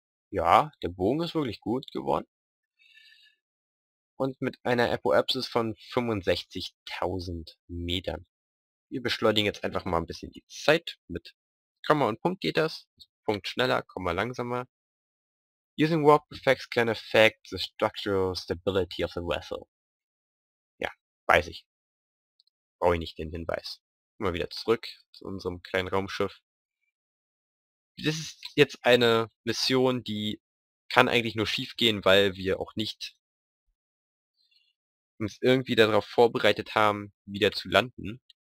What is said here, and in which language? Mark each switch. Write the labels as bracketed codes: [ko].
[de] Ja, der Bogen ist wirklich gut geworden. Und mit einer Apoapsis von 65.000 Metern. Wir beschleunigen jetzt einfach mal ein bisschen die Zeit. Mit Komma und Punkt geht das. Punkt schneller, Komma langsamer. [en] Using warp effects can affect the structural stability of the vessel. [de] Ja, weiß ich. Brauche ich nicht den Hinweis. Mal wieder zurück zu unserem kleinen Raumschiff. Das ist jetzt eine Mission, die kann eigentlich nur schief gehen, weil wir auch nicht uns irgendwie darauf vorbereitet haben, wieder zu landen.